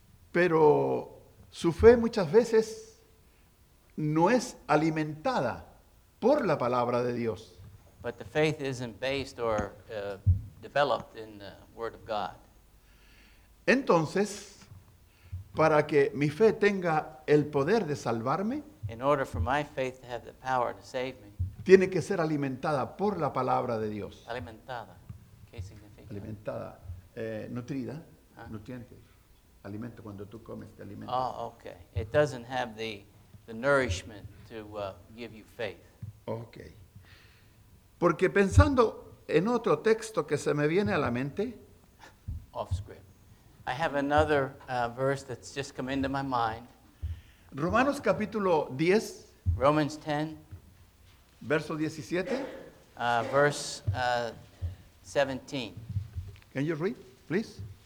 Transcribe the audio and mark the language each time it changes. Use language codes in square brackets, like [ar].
[es] Pero su fe muchas veces no es alimentada por la palabra de Dios. [en] But the faith isn't based or developed in the word of God. [es] Entonces, para que mi fe tenga el poder de salvarme, [en] in order for my faith to have the power to save me, [es] tiene que ser alimentada por la palabra de Dios. Alimentada. ¿Qué significa? Alimentada. Nutrida. Huh? Nutriente. Alimento. Cuando tú comes, te alimentas. [en] Oh, okay. It doesn't have the nourishment to give you faith. Okay. [es] Porque pensando en otro texto que se me viene a la mente. [en] Off script. I have another verse that's just come into my mind. [es] Romanos capítulo 10. [en] Romans 10. [es] Verso 17. [en] Verse 17. Can you read, please?